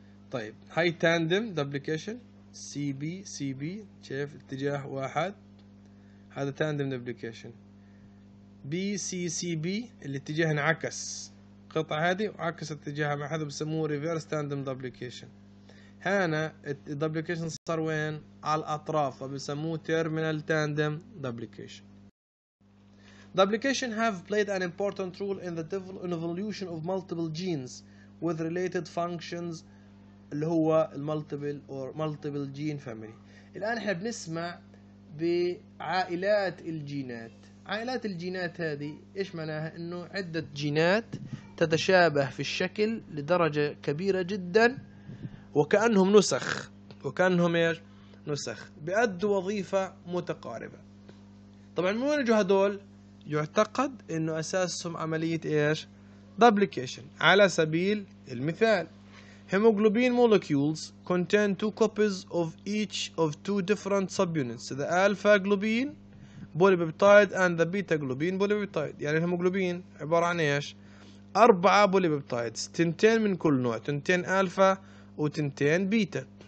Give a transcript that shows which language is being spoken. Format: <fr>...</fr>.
<ar>طيب هاي تاندم دوبليكيشن سي بي سي بي، شايف اتجاه واحد، هذا تاندم دوبليكيشن. بي سي سي بي الاتجاه انعكس، قطع هذه وعكس اتجاهها مع هذا بسموه ريفيرس تاندم دوبليكيشن. هنا الدوبليكيشن صار وين؟ على الأطراف، فبسموه terminal tandem duplication.</ar> <en>Duplication have played an important role in the evolution of multiple genes with related functions</en> <ar>اللي هو</ar> <en>multiple or multiple gene family.</en> <ar>الآن احنا بنسمع بعائلات الجينات، عائلات الجينات هذه ايش معناها؟ انه عدة جينات تتشابه في الشكل لدرجة كبيرة جدا، وكأنهم نسخ، وكأنهم ايش؟ نسخ بأدوا وظيفة متقاربة. طبعا من وين اجوا هذول؟ يعتقد انه اساسهم عملية ايش؟ دوبليكيشن. على سبيل المثال،</ar> <en>Haemoglobin molecules contain two copies of each of two different subunits, the alpha globin polypeptide and the beta globin polypeptide.</en> <ar>يعني الهيموغلوبين عبارة عن ايش؟ اربعة polypeptides، تنتين من كل نوع، تنتين الفا وتنتين بيتا.</ar>